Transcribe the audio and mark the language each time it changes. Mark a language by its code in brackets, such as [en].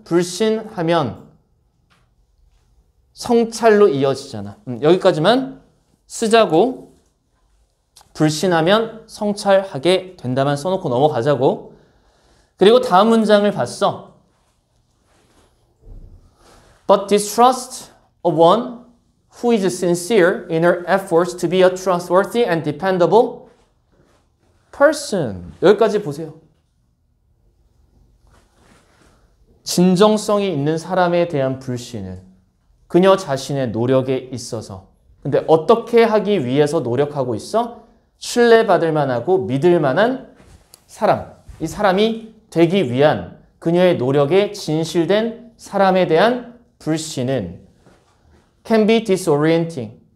[ko] 불신하면 성찰로 이어지잖아. 여기까지만 쓰자고. 불신하면 성찰하게 된다만 써놓고 넘어가자고. 그리고 다음 문장을 봤어. [en] But distrust a one who is sincere in her efforts to be a trustworthy and dependable person. [ko] 여기까지 보세요. 진정성이 있는 사람에 대한 불신은 그녀 자신의 노력에 있어서. 근데 어떻게 하기 위해서 노력하고 있어? 신뢰받을 만하고 믿을 만한 사람. 이 사람이 되기 위한 그녀의 노력에 진실된 사람에 대한 불신은 [en] can be disorienting.